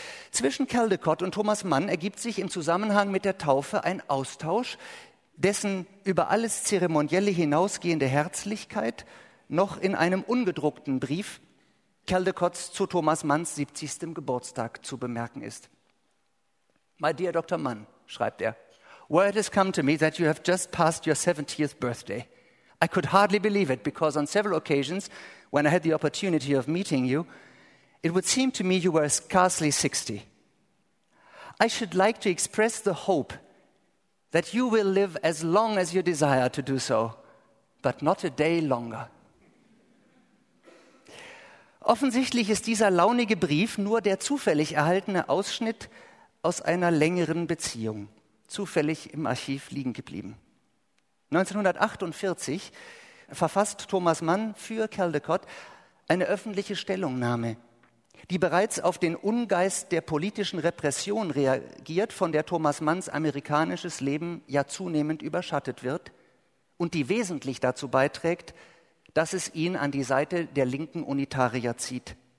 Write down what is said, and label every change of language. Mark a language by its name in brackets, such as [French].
[German] Zwischen Caldecott und Thomas Mann ergibt sich im Zusammenhang mit der Taufe ein Austausch, dessen über alles Zeremonielle hinausgehende Herzlichkeit noch in einem ungedruckten Brief Caldecotts zu Thomas Manns 70. Geburtstag zu bemerken ist. [English] My dear Dr. Mann, [German] schreibt er, [English] word has come to me that you have just passed your 70th birthday. I could hardly believe it, because on several occasions, when I had the opportunity of meeting you, it would seem to me you were scarcely 60. I should like to express the hope that you will live as long as you desire to do so, but not a day longer. [German] Offensichtlich ist dieser launige Brief nur der zufällig erhaltene Ausschnitt aus einer längeren Beziehung, zufällig im Archiv liegen geblieben. 1948 verfasst Thomas Mann für Caldecott eine öffentliche Stellungnahme, die bereits auf den Ungeist der politischen Repression reagiert, von der Thomas Manns amerikanisches Leben ja zunehmend überschattet wird und die wesentlich dazu beiträgt, dass es ihn an die Seite der linken Unitarier zieht.